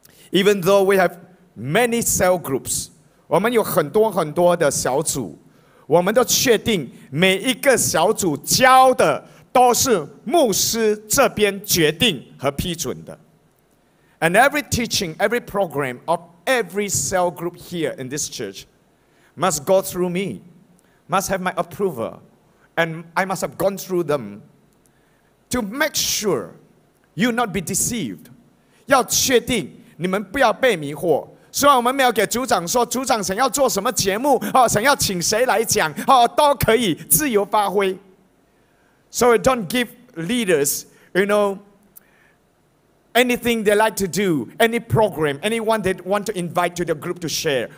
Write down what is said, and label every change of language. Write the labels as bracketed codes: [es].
[en] Even though we have many cell groups [zh] 我们有很多很多的小组我们都确定每一个小组教的都是牧师这边决定和批准的 [en] And every teaching, every program of every cell group here in this church Must go through me Must have my approval And I must have gone through themTo make sure you not be deceived. [zh] 要确定你们不要被迷惑。虽然我们没有给组长说组长想要做什么节目、哦、想要请谁来讲、哦、都可以自由发挥。 [en] So don't give leaders, you know, anything they like to do, any program, anyone they want to invite to the group to share.